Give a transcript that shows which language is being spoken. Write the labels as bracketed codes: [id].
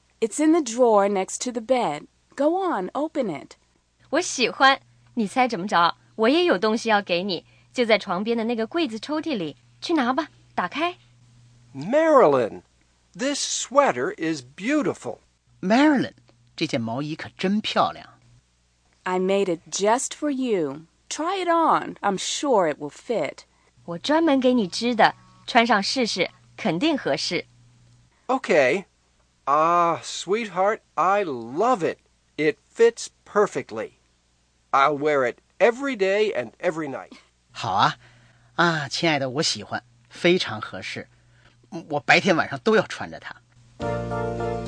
[en] It's in the drawer next to the bed. Go on, open it. [zh] 我喜欢。你猜怎么着？我也有东西要给你，就在床边的那个柜子抽屉里。去拿吧，打开。 [en] Marilyn! This sweater is beautiful. [zh] Marilyn, 这件毛衣可真漂亮。 [en] I made it just for you. Try it on. I'm sure it will fit. [zh] 我专门给你织的，穿上试试，肯定合适。 [en] Okay. Ah, sweetheart, I love it. It fits perfectly. I'll wear it every day and every night. [zh] 好啊。啊，亲爱的，我喜欢，非常合适。我白天晚上都要穿着它。